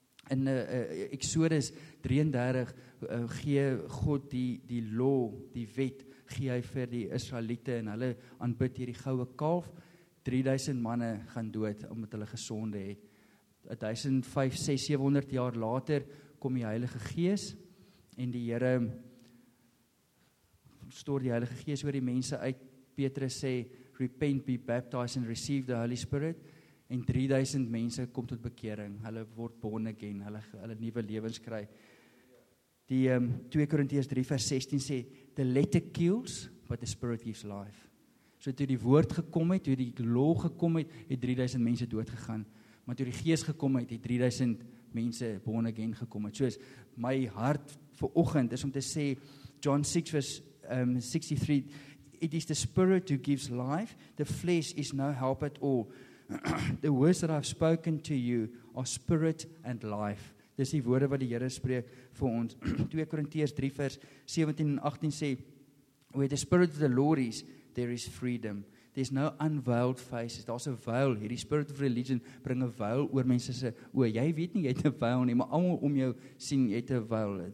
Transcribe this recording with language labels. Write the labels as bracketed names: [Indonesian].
[Afrikaans] In Exodus 33 gee God die law, die wet, gee hy vir die Israeliete, en hulle aanbid hierdie goue kalf, 3000 manne gaan dood, omdat hulle gesonde het. 1500-1700 jaar later kom die Heilige Gees en die Here stoor die Heilige Gees oor die mense uit. [English] Petrus sê, repent, be baptized and receive the Holy Spirit. [Afrikaans] En 3000 mense kom tot bekering. Hulle word born again. Hulle nuwe lewens kry. Die 2 Korintiërs 3 vers 16 sê, [English] the letter kills, but the spirit gives life. [Afrikaans] So toe die woord gekom het, toe die law gekom het, het 3000 mense doodgegaan. Maar toe die gees gekom het, het 3000 mense born again gekom het. Soos my hart vir oggend is om te sê, John 6 vers 63, [English] it is the spirit who gives life, the flesh is no help at all. The words that I've spoken to you are spirit and life. [Afrikaans] Dis die woorde wat die Here spreek vir ons. 2 Korintiërs 3 vers 17 en 18 sê, [English] where the spirit of the Lord is, there is freedom. There's no unveiled faces. [Afrikaans] Daar's 'n veil. Hierdie spirit of religion bring 'n veil oor mense se oë. Jy weet nie jy het 'n veil nie, maar almal om jou sien jy het 'n veil.